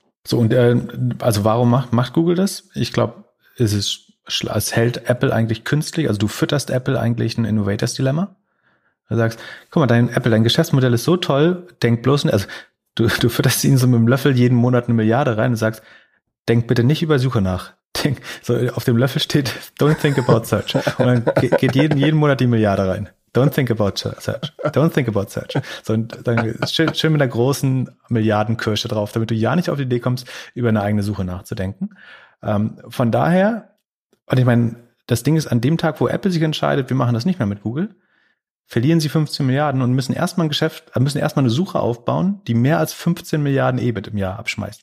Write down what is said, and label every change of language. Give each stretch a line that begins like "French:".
German: So, und also warum macht Google das? Ich glaube, es hält Apple eigentlich künstlich, also du fütterst Apple eigentlich ein Innovators-Dilemma. Du sagst, guck mal, dein Geschäftsmodell ist so toll, denk bloß nicht, also du fütterst ihnen so mit dem Löffel jeden Monat eine Milliarde rein und sagst, denk bitte nicht über Suche nach. Denk, so auf dem Löffel steht,
English: don't think about search.
German: Und dann geht jeden Monat die Milliarde rein.
English: Don't think about search. Don't think about search.
German: So, und dann schön mit einer großen Milliardenkirsche drauf, damit du ja nicht auf die Idee kommst, über eine eigene Suche nachzudenken. Von daher, und ich meine, das Ding ist, an dem Tag, wo Apple sich entscheidet, wir machen das nicht mehr mit Google, verlieren sie 15 Milliarden und müssen erstmal eine Suche aufbauen, die mehr als 15 Milliarden EBIT im Jahr abschmeißt.